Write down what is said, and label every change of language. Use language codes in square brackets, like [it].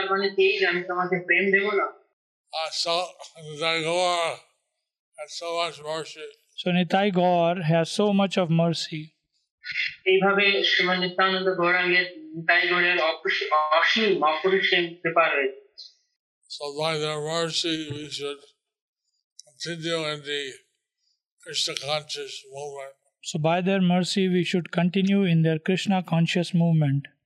[bn] যে তুমি আমাকে আঘাত করেছো বলেই তার মানে তেই আমি তোমাকে প্রেম দেব [en] না। So Nitai Gaur has so much of mercy. [bn] এইভাবে শ্রীমান নিত্যানন্দ গৌরাঙ্গের Nitai Gaur-এর অসীম অপরিসীম কৃপা রয়েছে। [en] So by their mercy we should continue in the Krishna conscious movement. So by their mercy we should continue in their Krishna conscious movement.